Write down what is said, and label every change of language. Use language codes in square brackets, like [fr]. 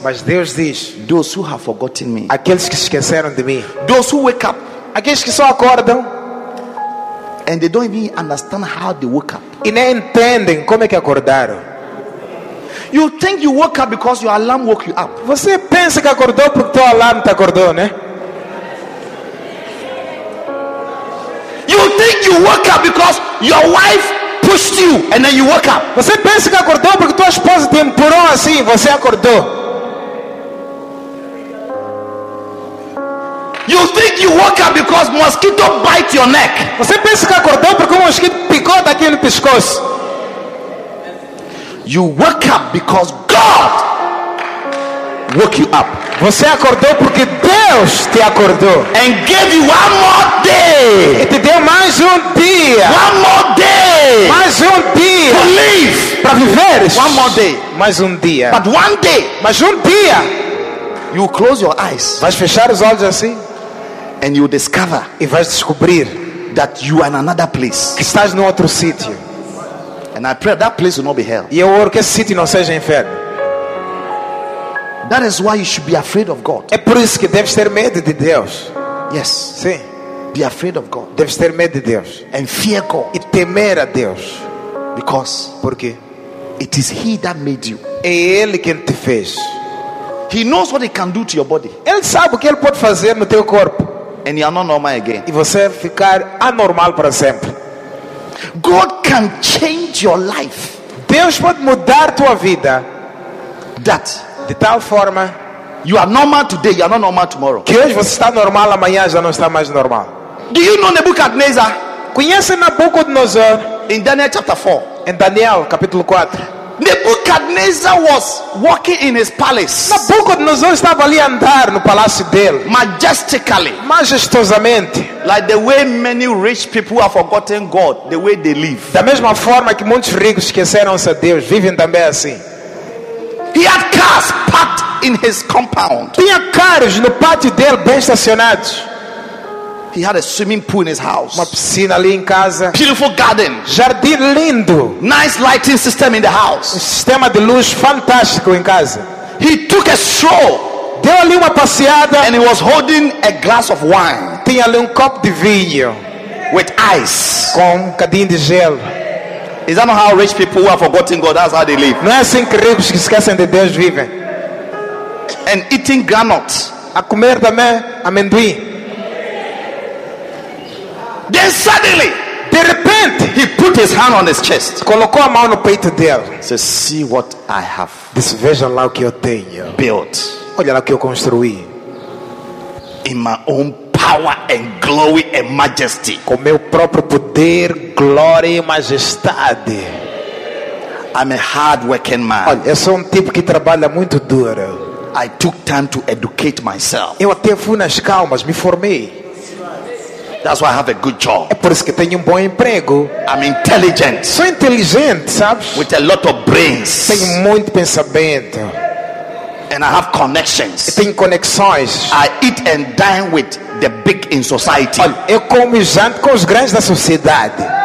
[pt] mas Deus diz, [en] those who have forgotten me, [pt] aqueles que esqueceram de mim, [en] those who wake up, [pt] aqueles que só acordam, [en] and they don't even understand how they woke up, [pt] e nem entendem como é que acordaram. [en] You think you woke up because your alarm woke you up. [pt] Você pensa que acordou porque teu alarme te acordou, né? [en] You think you woke up because your wife pushed you and then you woke up. [pt] Você pensa que acordou porque tua esposa te empurrou assim, você acordou. [en] You think you woke up because mosquito bite your neck. [pt] Você pensa que acordou porque um mosquito picou daqui no pescoço. [en] You wake up because God woke you up. [pt] Você acordou porque Deus te acordou. [en] And gave you one more day. [pt] E te deu mais dia. [en] One more day. [pt] Mais dia. [en] To live. [pt] Para viver. [en] One more day. [pt] Mais dia. [en] But one day. [pt] Mas dia. [en] You will close your eyes. [pt] Vais fechar os olhos assim. [en] And you will discover. [pt] E vais descobrir [en] that you are in another place. [pt] Que estás no outro sítio. [en] And I pray that place will not be hell. [pt] E eu oro que esse sítio não seja inferno. [en] That is why you should be afraid of God. [pt] É por isso que deves ter medo de Deus. [en] Yes. [pt] Sim. [en] Be afraid of God. [pt] Deves ter medo de Deus. [en] And fear God. [pt] E temer a Deus. [en] Because. [pt] Porque. [en] It is He that made you. [pt] É Ele quem te fez. [en] He knows what He can do to your body. [pt] Ele sabe o que Ele pode fazer no teu corpo. [en] And you are not normal again. [pt] E você ficar anormal para sempre. [en] God can change your life. [pt] Deus pode mudar tua vida. [en] That. [pt] De tal forma, [en] you are normal today, you are not normal tomorrow. [pt] Que hoje você está normal, amanhã já não está mais normal. [en] Do you know Nebuchadnezzar? [pt] Conhece Nabucodonosor? [en] In Daniel chapter 4. [pt] Em Daniel capítulo 4. [en] Nebuchadnezzar was walking in his palace. [pt] Nabucodonosor estava ali andar no palácio dele. [en] Majestically. [pt] Majestosamente. [en] Like the way many rich people have forgotten God, the way they live. [pt] Da mesma forma que muitos ricos esqueceram-se de Deus, vivem também assim. [en] He had cars parked in his compound. [pt] Tinha carros no pátio dele bem estacionados. [en] He had a swimming pool in his house. [pt] Uma piscina ali em casa. [en] Beautiful garden. [pt] Jardim lindo. [en] Nice lighting system in the house. [pt] Um sistema de luz fantástico em casa. [en] He took a stroll. [pt] Deu ali uma passeada. [en] And he was holding a glass of wine. [pt] Tinha ali um copo de vinho. [en] With ice. [pt] Com um cadinho de gelo. [en] Is that not how rich people have forgotten God? That's how they live. [pt] Não é assim que ricos esquecem de Deus vivem. [en] And eating granite. [pt] A comer também amendoim. [en] Then suddenly, [pt] de repente, [en] he put his hand on his chest. [pt] Colocou a mão no peito dele. [en] Says, see what I have. This vision [pt] lá o que eu tenho. [en] Built. [pt] Olha lá o que eu construí. [en] In my own power and glory and majesty. [pt] Com meu próprio poder, glória e majestade. [en] I'm a hard working man. [pt] Olha, eu sou tipo que trabalha muito duro. [en] I took time to educate myself. [pt] Eu até fui nas calmas, me formei. [en] That's why I have a good job. [pt] É por isso que tenho bom emprego. [en] I'm intelligent. [pt] Sou inteligente, sabes? [en] With a lot of brains. [pt] Tenho muito pensamento. [en] And I have connections. [pt] E tenho conexões. [en] I eat and dine with the big in society. [pt] Olha, eu como e janto com os grandes da sociedade.